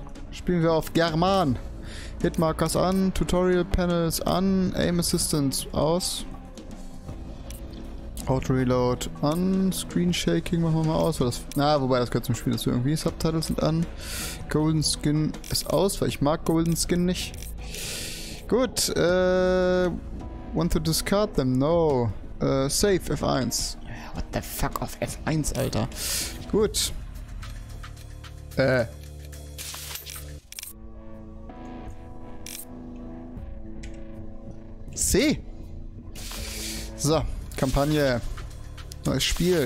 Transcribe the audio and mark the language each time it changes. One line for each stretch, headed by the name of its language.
German: Spielen wir auf German. Hitmarkers an, Tutorial Panels an, Aim Assistance aus. Auto Reload an, Screen Shaking machen wir mal aus, weil das. Na, wobei das gehört zum Spiel, dass wir irgendwie Subtitles sind an. Golden Skin ist aus, weil ich mag Golden Skin nicht.
English: Gut, want to discard them? No. Save F1. What the fuck
German: auf F1, Alter? Gut. C. So. Kampagne. Neues Spiel.